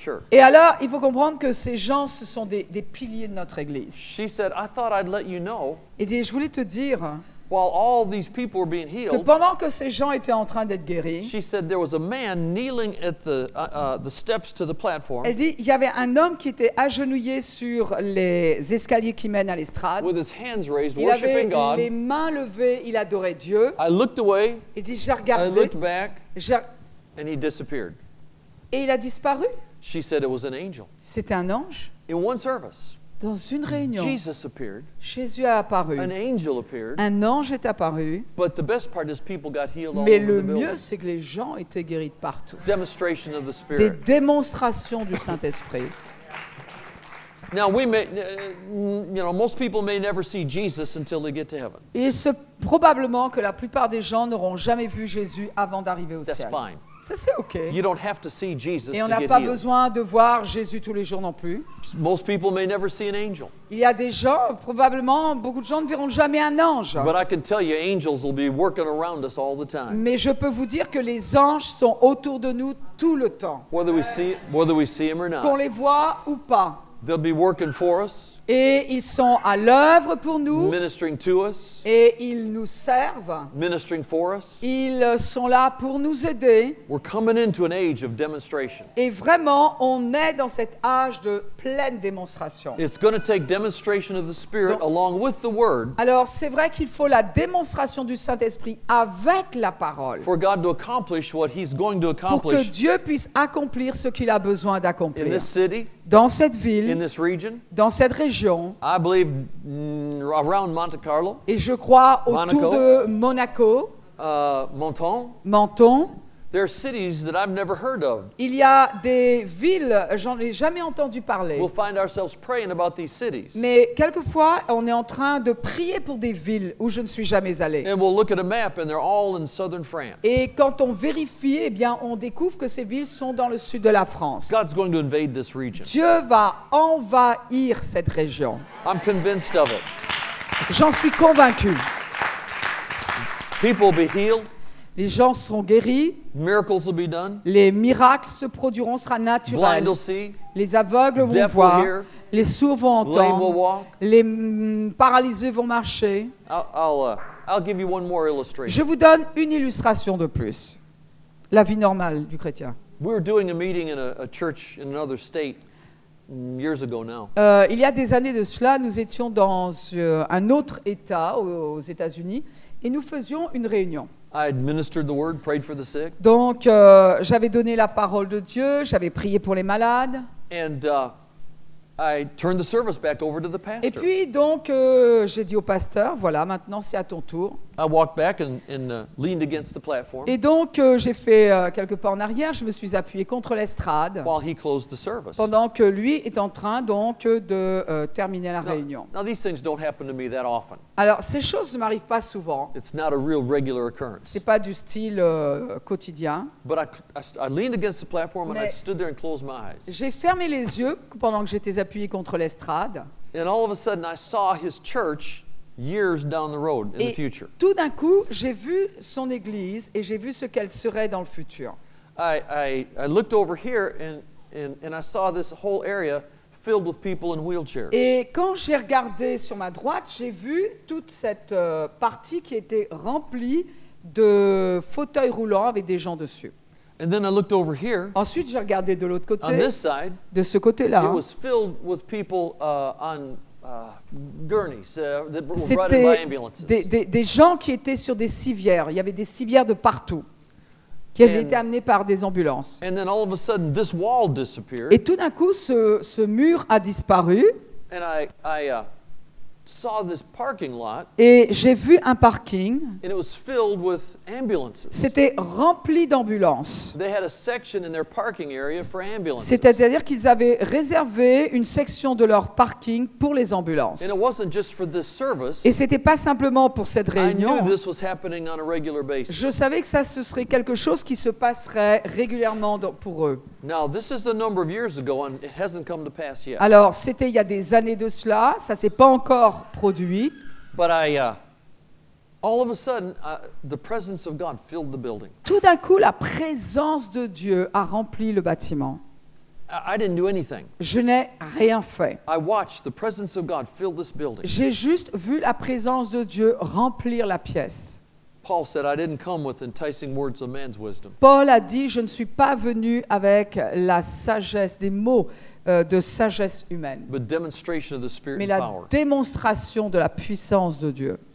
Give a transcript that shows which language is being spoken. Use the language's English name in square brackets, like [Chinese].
[French] Et alors, il faut comprendre que ces gens, ce sont des piliers de notre église. [English] She said, I thought I'd let you know. [French] Et dit, je voulais te dire. [English] While all these people were being healed, [French] que pendant que ces gens étaient en train d'être guéris, [English] she said there was a man kneeling at the steps to the platform. [French] Elle dit, il y avait un homme qui était agenouillé sur les escaliers qui mènent à l'estrade. [English] With his hands raised, worshiping God. [French] Il avait les mains levées, il adorait Dieu. [English] I looked away. [French] Elle dit, j'ai regardé. [English] I looked back. And he disappeared. [French] Et il a disparu. [English] She said it was an angel. [French] C'était un ange. [English] In one service. [French] Dans une réunion, [English] Jesus appeared. [French] Jésus a apparu. [English] An angel appeared. [French] Un ange est apparu. [English] But the best part is people got healed all over the building. [French] Mais le mieux, c'est que les gens étaient guéris de partout. [English] Demonstration of the Spirit. [French] Des démonstrations du Saint-Esprit. [English] Now we may, you know, most people may never see Jesus until they get to heaven. [French] Et c'est probablement que la plupart des gens n'auront jamais vu Jésus avant d'arriver au [English] That's [French] ciel. [English] Fine. [French] C'est okay. [English] You don't have to see Jesus [French] Et on n'a pas [English] healed. [French] Besoin de voir Jésus tous les jours non plus. [English] Most people may never see an angel. [French] Il y a des gens, probablement, beaucoup de gens ne verront jamais un ange. [English] But I can tell you, angels will be working around us all the time. [French] Mais je peux vous dire que les anges sont autour de nous tout le temps. [English] Whether we see them or not. [French] Qu'on les voit ou pas. [English] They'll be working for us. [French] Et ils sont à l'œuvre pour nous. [English] Ministering to us. [French] Et ils nous servent. [English] Ministering for us. [French] Ils sont là pour nous aider. [English] We're coming into an age of demonstration. [French] Et vraiment, on est dans cet âge de pleine démonstration. [English] It's going to take demonstration of the Spirit along with the Word. [French] Alors, c'est vrai qu'il faut la démonstration du Saint-Esprit avec la parole. [English] For God to accomplish what He's going to accomplish. [French] Pour que Dieu puisse accomplir ce qu'il a besoin d'accomplir. [English] In this city. [French] Dans cette ville. [English] In this region. [French] Dans cette région. [English] I believe around Monte Carlo. [French] Et je crois autour de Monaco. Menton. [English] There are cities that I've never heard of. [French] Il y a des villes, j'en ai jamais entendu parler. [English] We'll find ourselves praying about these cities. [French] Mais quelquefois, on est en train de prier pour des villes où je ne suis jamais allé. [English] And we'll look at a map and they're all in southern France. [French] Et quand on vérifie, eh bien, on découvre que ces villes sont dans le sud de la France. [English] God's going to invade this region. [French] Dieu va envahir cette région. [English] I'm convinced of it. [French] J'en suis convaincu. [English] People will be healed. [French] Les gens seront guéris. [English] Miracles will be done. [French] Les miracles se produiront, sera naturel. [English] Blind will see. [French] Les aveugles vont [English] Deaf [French] voir. [English] Will hear. [French] Les sourds vont entendre. [English] Lame will walk. [French] Les paralysés vont marcher. [English] I'll give you one more illustration. [French] Je vous donne une illustration de plus. La vie normale du chrétien. [English] We were doing a meeting in a church in another state years ago now. [French] Il y a des années de cela, nous étions dans un autre état aux États-Unis et nous faisions une réunion. [English] I administered the word, prayed for the sick. [French] Donc, j'avais donné la parole de Dieu, j'avais prié pour les malades. [English] And I turned the service back over to the pastor. [French] Et puis donc, j'ai dit au pasteur, voilà, maintenant c'est à ton tour. [English] I walked back and leaned against the platform. [French] Et donc, j'ai fait quelques pas en arrière, je me suis appuyé contre l'estrade. [English] While he closed the service. [French] Pendant que lui est en train donc de terminer la réunion. [English] Now these things don't happen to me that often. [French] Alors, ces choses ne m'arrivent pas souvent. [English] It's not a real regular occurrence. [French] C'est pas du style quotidien. [English] But I leaned against the platform and I stood there and closed my eyes. [French] J'ai fermé les yeux pendant que j'étais appuyé contre l'estrade. [English] And all of a sudden I saw his church years down the road in [French] et [English] the future. [French] Tout d'un coup, j'ai vu son église et j'ai vu ce qu'elle serait dans le futur. [English] I looked over here and I saw this whole area filled with people in wheelchairs. [French] Et quand j'ai regardé sur ma droite, j'ai vu toute cette partie qui était remplie de fauteuils roulants avec des gens dessus. [English] And then I looked over here. [French] Ensuite, j'ai regardé de l'autre côté. [English] On this side. [French] De ce côté-là. [English] It was filled with people on gurneys that were [French] C'était [English] brought in by ambulances. [French] Des gens qui étaient sur des civières. Il y avait des civières de partout qui avaient été amenées par des ambulances. [English] And then all of a sudden, this wall disappeared. [French] Et tout d'un coup, ce mur a disparu. [English] And I saw this parking lot. [French] Et j'ai vu un parking. [English] And it was filled with ambulances. [French] C'était rempli d'ambulances. [English] They had a section in their parking area for ambulances. [French] C'est-à-dire qu'ils avaient réservé une section de leur parking pour les ambulances. [English] And it wasn't just for this service. [French] Et c'était pas simplement pour cette réunion. [English] I knew this was happening on a regular basis. [French] Je savais que ça ce serait quelque chose qui se passerait régulièrement pour eux. [English] Now this is a number of years ago and it hasn't come to pass yet. [French] Alors c'était il y a des années de cela, ça s'est pas encore produit. [English] But I All of a sudden, the presence of God filled the building. [French] Tout d'un coup, la présence de Dieu a rempli le bâtiment. [English] I didn't do anything. [French] Je n'ai rien fait. [English] I watched the presence of God fill this building. [French] J'ai juste vu la présence de Dieu remplir la pièce. [English] Paul said, I didn't come with enticing words of man's wisdom. [French] Paul a dit, je ne suis pas venu avec la sagesse, des mots de sagesse humaine. [English] But demonstration of the Spirit and power. [French] Mais la démonstration de la puissance de Dieu.